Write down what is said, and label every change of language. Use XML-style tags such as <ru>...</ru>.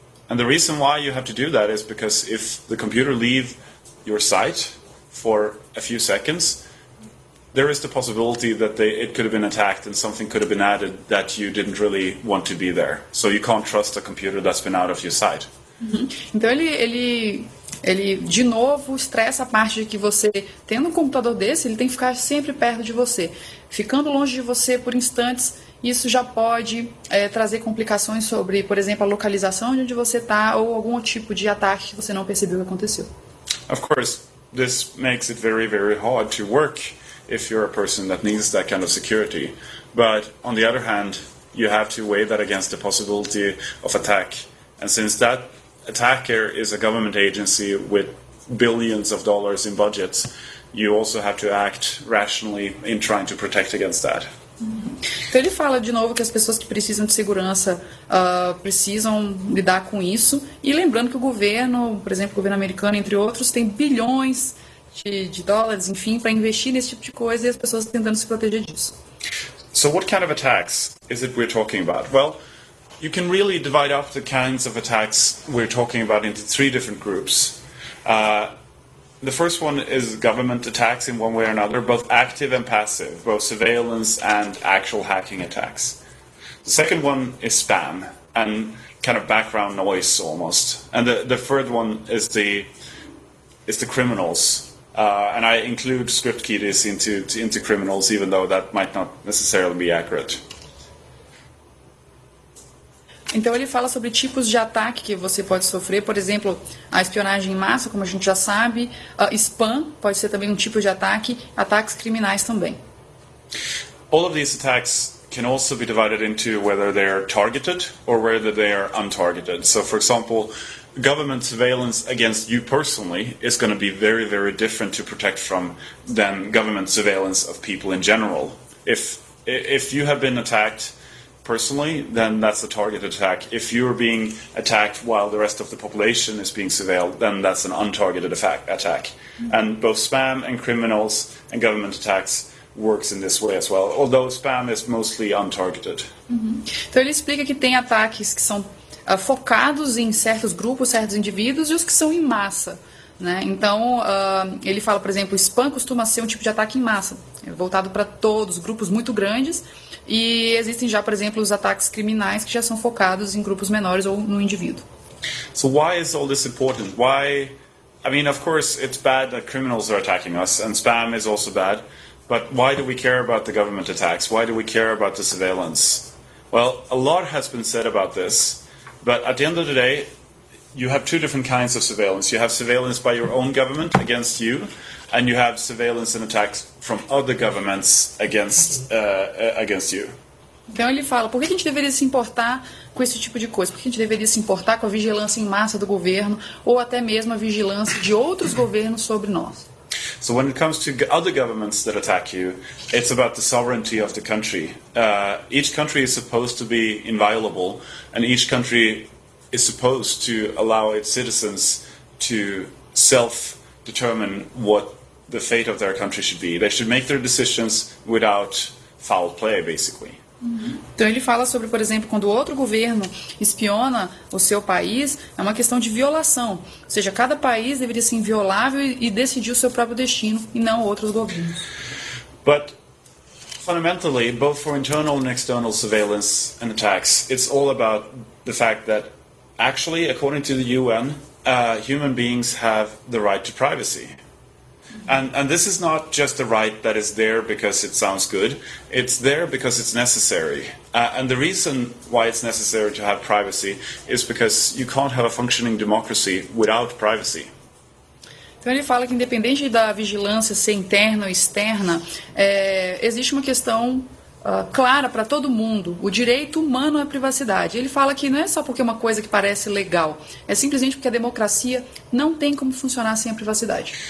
<en>And the reason why you have to do that is because if the computer leaves your sight for a few seconds, there is the possibility that it could have been attacked and something could have been added that you didn't really want to be there. So you can't trust a computer that's been out of your sight. Uhum.</en> <pt>Então ele de novo estressa a parte de que você, tendo um computador desse, ele tem que ficar sempre perto de você. Ficando longe de você por instantes, isso já pode trazer complicações sobre, por exemplo, a localização de onde você está ou algum tipo de ataque que você não percebeu que aconteceu.</pt> <en>Of course, this makes it very, very hard to work if you're a person that needs that kind of security. But on the other hand, you have to weigh that against the possibility of attack. And since that attacker is a government agency with billions of dollars in budgets, you also have to act rationally in trying to protect against that.</en> <pt>Então ele fala de novo que as pessoas que precisam de segurança precisam lidar com isso. E lembrando que o governo, por exemplo, o governo americano, entre outros, tem bilhões de dólares, enfim, para investir nesse tipo de coisa e as pessoas tentando se proteger disso.</pt> <en>So what kind of attacks is it we're talking about? Well, you can really divide up the kinds of attacks we're talking about into three different groups. The first one is government attacks in one way or another, both active and passive, both surveillance and actual hacking attacks. The second one is spam and kind of background noise almost. And the third one is the criminals. And I include script kiddies into criminals, even though that might not necessarily be accurate.</en> <pt>Então ele fala sobre tipos de ataque que você pode sofrer, por exemplo, a espionagem em massa, como a gente já sabe, spam pode ser também um tipo de ataque, ataques criminais também.</pt> <en>All of these attacks can also be divided into whether they are targeted or whether they are untargeted. So, for example, government surveillance against you personally is going to be very, very different to protect from than government surveillance of people in general. If you have been attacked personally, then that's a targeted attack. If you're being attacked while the rest of the population is being surveilled, then that's an untargeted attack. Mm-hmm. And both spam and criminals and government attacks works in this way as well, although spam is mostly untargeted. Mm-hmm.</en> <pt>Então ele explica que tem ataques que são focados em certos grupos, certos indivíduos, e os que são em massa. Né? Então, ele fala, por exemplo, spam costuma ser um tipo de ataque em massa, voltado para todos, grupos muito grandes, e existem já, por exemplo, os ataques criminais que já são focados em grupos menores ou no indivíduo.</pt> <en>So why is all this important? Why? I mean, of course, it's bad that criminals are attacking us, and spam is also bad, but why do we care about the government attacks? Why do we care about the surveillance? Well, a lot has been said about this, but at the end of the day, you have two different kinds of surveillance. You have surveillance by your own government against you, and you have surveillance and attacks from other governments against you.</en> <pt>Então ele fala, por que a gente deveria se importar com esse tipo de coisa? Por que a gente deveria se importar com a vigilância em massa do governo ou até mesmo a vigilância de outros governos sobre nós?</pt> <en>So when it comes to other governments that attack you, it's about the sovereignty of the country. Each country is supposed to be inviolable, and each country is supposed to allow its citizens to self-determine what the fate of their country should be. They should make their decisions without foul play, basically. Uhum.</en> <pt>Então ele fala sobre, por exemplo, quando outro governo espiona o seu país, é uma questão de violação. Ou seja, cada país deveria ser inviolável e decidir o seu próprio destino e não outros governos.</pt> <en>But fundamentally, both for internal and external surveillance and attacks, it's all about the fact that actually, according to the UN, human beings have the right to privacy. And this is not just a right that is there because it sounds good. It's there because it's necessary. And the reason why it's necessary to have privacy is because you can't have a functioning democracy without privacy.</en> <pt>Então ele fala que independente da vigilância ser interna ou externa, existe uma questão clara para todo mundo, o direito humano à privacidade. Ele fala que não é só porque é uma coisa que parece legal, é simplesmente porque a democracia não tem como funcionar sem a privacidade.</pt>